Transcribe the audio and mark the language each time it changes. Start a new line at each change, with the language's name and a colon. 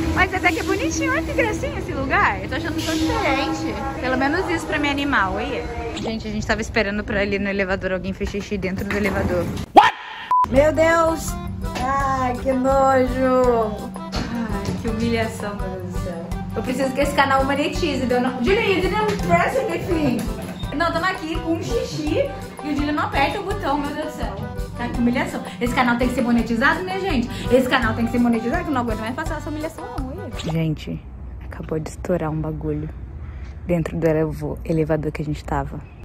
Portuguese: Mas até que é bonitinho, olha que gracinha esse lugar. Eu tô achando tão diferente. Pelo menos isso pra me animar, oi. Gente, a gente tava esperando pra ali no elevador alguém fez xixi dentro do elevador.
English: What?
Portuguese: Meu Deus! Ai, que nojo! Ai, que humilhação, meu Deus do céu. Eu preciso que esse canal monetize, deu não.
English: Julian, you didn't press anything!
Portuguese: Não, tamo aqui com um xixi e o Julian não aperta o botão, meu Deus do céu. Cara, que humilhação. Esse canal tem que ser monetizado, minha gente. Esse canal tem que ser monetizado, que eu não aguento mais passar essa humilhação, não, hein? Gente, acabou de estourar um bagulho dentro do elevador que a gente tava.